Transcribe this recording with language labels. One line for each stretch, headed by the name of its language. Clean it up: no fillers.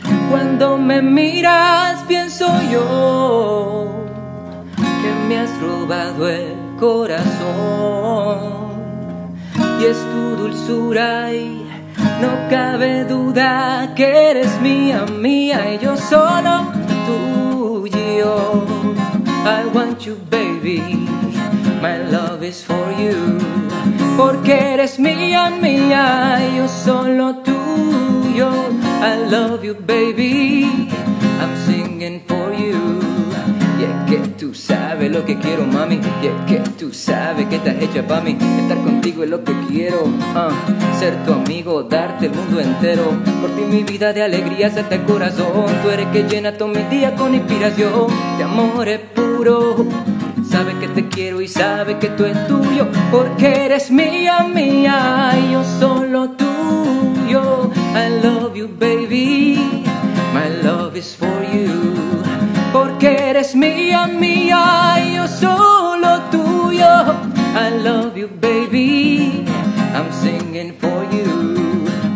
Spanish: Cuando me miras, pienso yo que me has robado el corazón. Y es tu dulzura y no cabe duda que eres mía, mía y yo solo tuyo.
English: I want you, baby, my love is for you.
Spanish: Porque eres mía, mía y yo solo tuyo.
English: I love you, baby, I'm singing for you.
Spanish: Y es que tú sabes lo que quiero, mami. Y es que tú sabes que estás hecha pa' mí. Estar contigo es lo que quiero, ser tu amigo, darte el mundo entero. Por ti mi vida de alegría salta el corazón. Tú eres que llena todos mis días con inspiración. De amor es puro, sabes que te quiero y sabes que tú es tuyo. Porque eres mía, mía y yo solo tuyo.
English: I love you, baby, my love is for you.
Spanish: Porque eres mía, mía y yo solo tuyo.
English: I love you, baby, I'm singing for you.